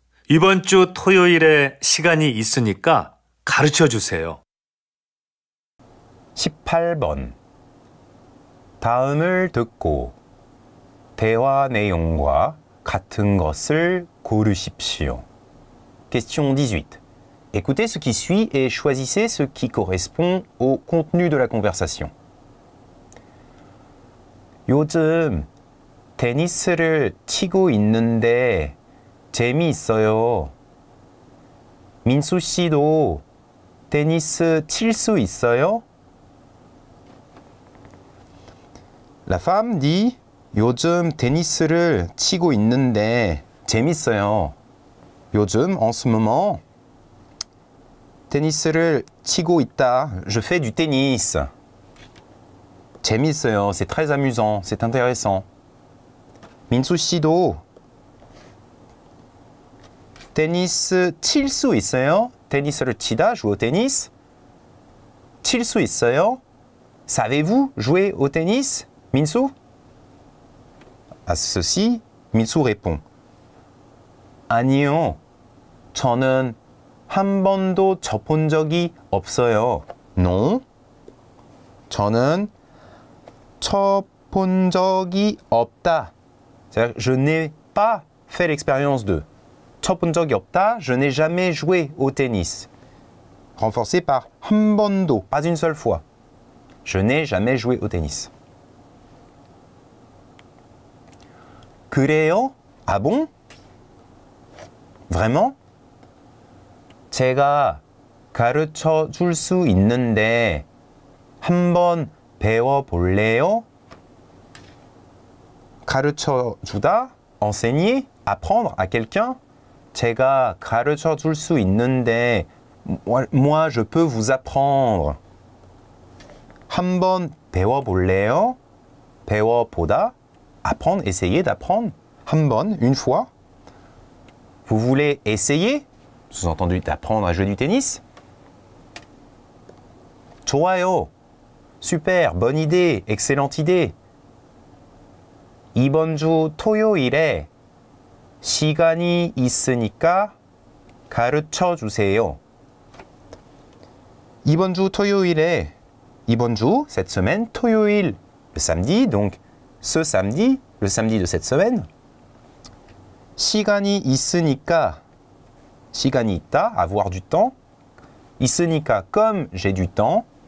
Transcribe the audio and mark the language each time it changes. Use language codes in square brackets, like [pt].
[ko] 이번 주 토요일에 시간이 있으니까 가르쳐 주세요. 18번 다음을 듣고 대화 내용과 같은 것을 고르십시오. [en] Question 18. [fr] Écoutez ce qui suit et choisissez ce qui correspond au contenu de la conversation. [ko] 요즘 테니스를 치고 있는데 재미있어요. 민수 씨도 테니스 칠 수 있어요? [fr] La femme dit [ko] 요즘 테니스를 치고 있는데 재밌어요. 요즘, [fr] en ce moment, [ko] 테니스를 치고 있다. [fr] Je fais du tennis. [ko] 재밌어요. [fr] C'est très amusant. C'est intéressant. [ko] 민수 씨도 테니스 칠 수 있어요? 테니스를 치다, [fr] jouer au tennis. [ko] 칠 수 있어요? [fr] Savez-vous jouer au tennis, 민수? À ceci, Minsu répond. [ko] 아니요, 저는 한 번도 쳐본 적이 없어요. Non, 저는 쳐본 적이 없다. [fr] C'est-à-dire, je n'ai pas fait l'expérience de. [ko] 쳐본 적이 없다, [fr] je n'ai jamais joué au tennis. Renforcé par [ko] 한 번도, [fr] pas une seule fois. Je n'ai jamais joué au tennis. [ko] 그래요? [fr] Ah bon? Vraiment? [ko] 제가 가르쳐 줄 수 있는데 한번 배워 볼래요? 가르쳐 주다? [fr] Enseigner? Apprendre à quelqu'un? [ko] 제가 가르쳐 줄 수 있는데 [fr] moi je peux vous apprendre. [ko] 한번 배워 볼래요? 배워 보다? [fr] Apprendre, essayer d'apprendre. [ko] 한 번, [fr] une fois. Vous voulez essayer, sous-entendu d'apprendre à jouer du tennis. [ko] 좋아요. [fr] Super, bonne idée, excellente idée. [ko] 이번 주 토요일에 시간이 있으니까 가르쳐 주세요. 이번 주 토요일에, 이번 주, [fr] cette semaine, [ko] 토요일, [fr] le samedi, donc ce samedi, le samedi de cette semaine. [ko] 시간이 있으니까, 시간이 있다, [fr] avoir du temps. [ko] 있으니까, [fr] comme j'ai du temps.